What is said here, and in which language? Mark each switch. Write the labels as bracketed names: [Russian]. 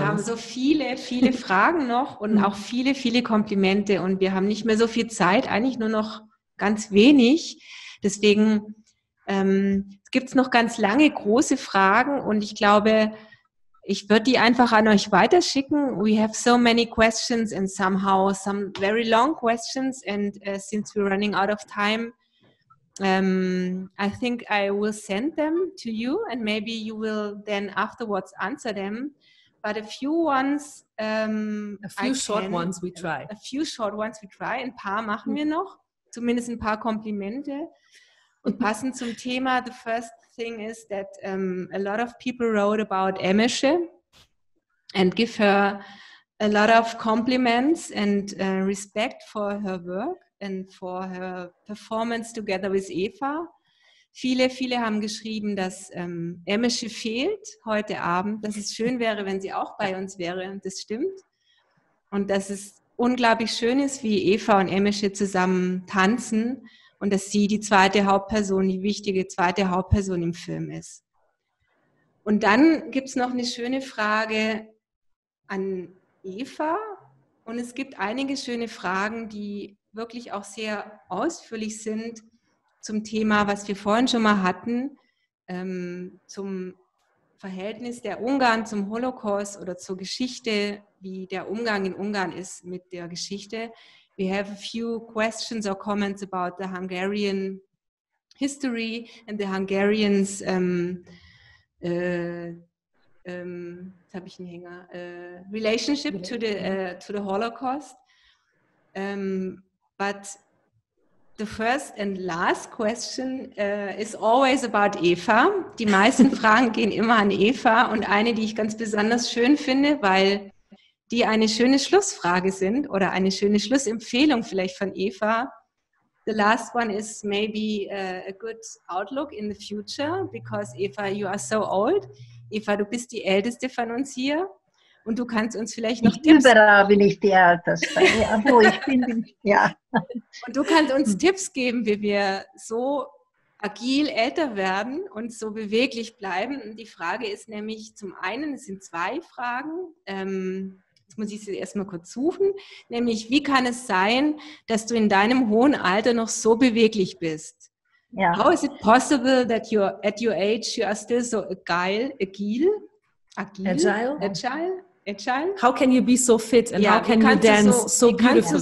[German] Wir haben so viele, viele Fragen noch und auch viele, viele Komplimente und wir haben nicht mehr so viel Zeit, eigentlich nur noch ganz wenig. Deswegen gibt es noch ganz lange große Fragen und ich glaube, ich würde die einfach an euch weiterschicken. [English] We have so many questions and somehow some very long questions and since we're running out of time, I think I will send them to you and maybe you will then afterwards answer them. But a few ones, a few short ones we try. [German] Ein paar machen wir noch, zumindest ein paar Komplimente. Und passend zum Thema, [English] the first thing is that a lot of people wrote about Emmersche and give her a lot of compliments and respect for her work. And for her performance together with Eva. [German] Viele, viele haben geschrieben, dass Emmersche fehlt heute Abend, dass es schön wäre, wenn sie auch bei uns wäre. Und das stimmt. Und dass es unglaublich schön ist, wie Eva und Emmersche zusammen tanzen und dass sie die zweite Hauptperson, die wichtige zweite Hauptperson im Film ist. Und dann gibt es noch eine schöne Frage an Eva. Und es gibt einige schöne Fragen, die wirklich auch sehr ausführlich sind zum Thema, was wir vorhin schon mal hatten, zum Verhältnis der Ungarn zum Holocaust oder zur Geschichte, wie der Umgang in Ungarn ist mit der Geschichte. [English] We have a few questions or comments about the Hungarian history and the Hungarians. [German] Jetzt habe ich einen Hänger. [English] Relationship to the Holocaust. But the first and last question is always about Eva. [German] Die meisten Fragen gehen immer an Eva und eine, die ich ganz besonders schön finde, weil die eine schöne Schlussfrage sind oder eine schöne Schlussempfehlung vielleicht von Eva. [English] The last one is maybe a good outlook in the future, because Eva, you are so old. [German] Eva, du bist die Älteste von uns hier und du kannst uns vielleicht noch Tipps geben. Überall bin ich die Älteste. Ja, so, ich bin die, ja. Und du kannst uns Tipps geben, wie wir so agil älter werden und so beweglich bleiben. Und die Frage ist nämlich zum einen, es sind zwei Fragen, jetzt muss ich sie erstmal kurz suchen, nämlich wie kann es sein, dass du in deinem hohen Alter noch so beweglich bist? Yeah. [English] How is it possible that you're at your age you are still so agile? How can you be so fit and how can you dance so beautifully?